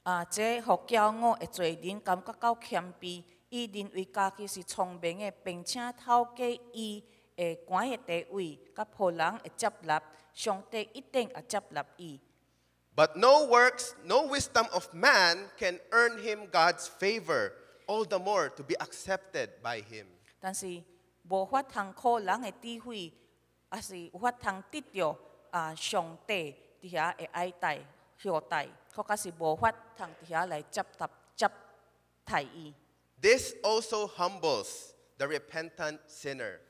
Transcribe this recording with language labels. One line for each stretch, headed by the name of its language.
Min Nan Chinese: 这让骄傲的罪人感觉到谦卑，伊认为家己是聪明的，并且透过伊的官的地位，甲仆人的接纳，上帝一定也接纳伊。
English: But no works, no wisdom of man can earn him God's favor, all the more to be accepted by him.
Min Nan Chinese: 但是无法通靠人的智慧，还是无法通得到啊上帝底下的爱戴、厚待，或者是无法通底下来接待伊。
English: This also humbles the repentant sinner.